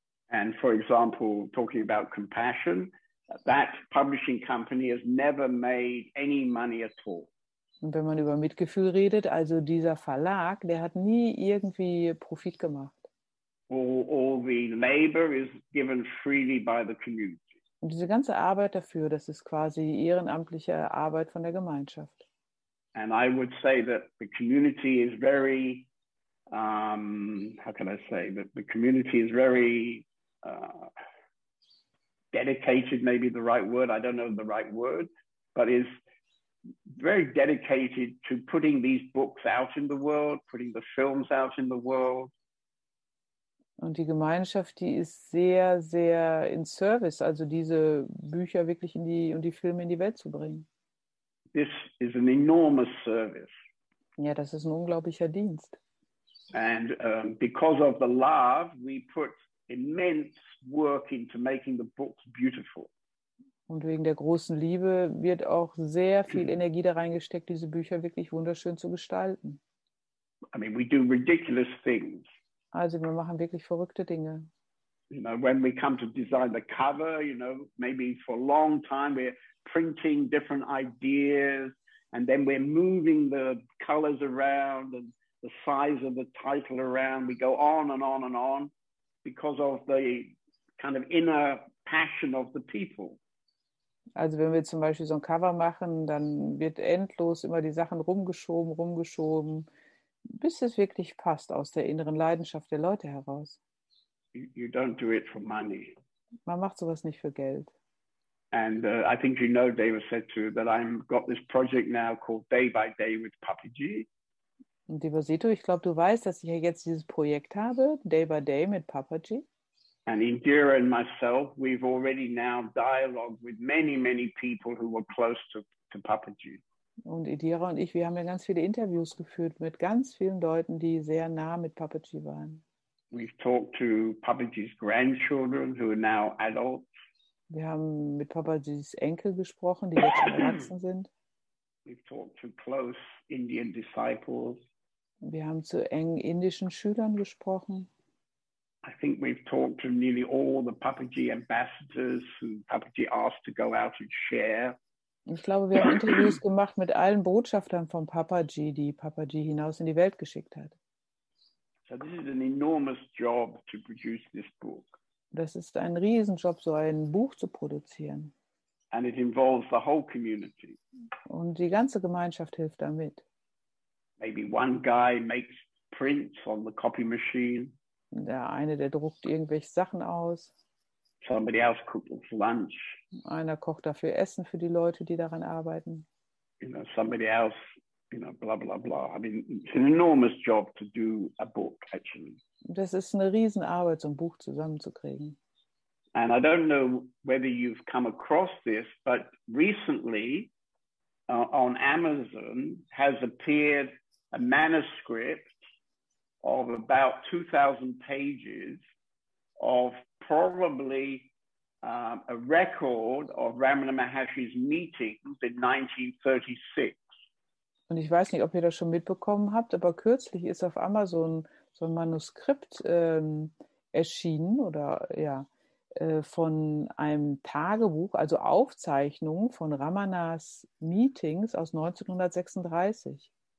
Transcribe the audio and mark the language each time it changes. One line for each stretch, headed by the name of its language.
English: And for example, talking about Compassion, that publishing company has never made any money at all.
German: Und wenn man über Mitgefühl redet, also dieser Verlag, der hat nie irgendwie Profit gemacht.
English: All the labor is given freely by the community.
German: Und diese ganze Arbeit dafür, das ist quasi ehrenamtliche Arbeit von der Gemeinschaft.
English: And I would say that the community is very, how can I say, that the community is very dedicated, maybe the right word, I don't know the right word, but is very dedicated to putting these books out in the world, putting the films out in the world.
German: Und die Gemeinschaft, die ist sehr, sehr in Service, also diese Bücher wirklich in die und die Filme in die Welt zu bringen.
English: This is an enormous service.
German: Ja, das ist ein unglaublicher Dienst.
English: And because of the love, we put immense work into making the books beautiful.
German: Und wegen der großen Liebe wird auch sehr viel Energie da reingesteckt, diese Bücher wirklich wunderschön zu gestalten.
English: I mean, we do ridiculous things.
German: Also wir machen wirklich verrückte Dinge.
English: You know, when we come to design the cover, you know, maybe for a long time we're printing different ideas and then we're moving the colors around and the size of the title around. We go on and on and on because of the kind of inner passion of the people.
German: Also wenn wir zum Beispiel so ein Cover machen, dann wird endlos immer die Sachen rumgeschoben, bis es wirklich passt aus der inneren Leidenschaft der Leute heraus.
English: You don't do it for money.
German: Man macht sowas nicht für Geld.
English: And I think you know David said too that I've got this project now called Day by Day with Papi G.
German: Und Devasito, ich glaube, du weißt, dass ich ja jetzt dieses Projekt habe, Day by Day mit Papa G.
English: And Indira and myself, we've already now dialogued with many, many people who were close to Papaji.
German: Und Indira und ich, wir haben ja ganz viele Interviews geführt mit ganz vielen Leuten, die sehr nah mit Papaji waren.
English: We've talked to Papaji's grandchildren, who are now adults.
German: Wir haben mit Papajis Enkel gesprochen, die jetzt erwachsen sind.
English: We've talked to close Indian disciples.
German: Wir haben zu engen indischen Schülern gesprochen.
English: I think we've talked to nearly all the Papaji ambassadors who Papaji asked to go out and share.
German: Ich glaube, wir haben Interviews gemacht mit allen Botschaftern von Papaji, die Papaji hinaus in die Welt geschickt hat.
English: So this is an enormous job to produce this book.
German: Das ist ein Riesenjob, so ein Buch zu produzieren.
English: And it involves the whole community.
German: Und die ganze Gemeinschaft hilft damit.
English: Maybe one guy makes prints on the copy machine.
German: Der eine, der druckt irgendwelche Sachen aus.
English: Somebody else cooks lunch.
German: Einer kocht dafür Essen für die Leute, die daran arbeiten.
English: You know, somebody else, you know, blah, blah, blah. I mean, it's an enormous job to do a book, actually.
German: Das ist eine Riesenarbeit, so ein Buch zusammenzukriegen.
English: And I don't know whether you've come across this, but recently on Amazon has appeared a manuscript of about 2,000 pages of probably a record of Ramana Maharshi's meetings in 1936.
German: Und ich weiß nicht, ob ihr das schon mitbekommen habt, aber kürzlich ist auf Amazon so ein Manuskript erschienen oder ja von einem Tagebuch, also Aufzeichnung von Ramanas Meetings aus 1936.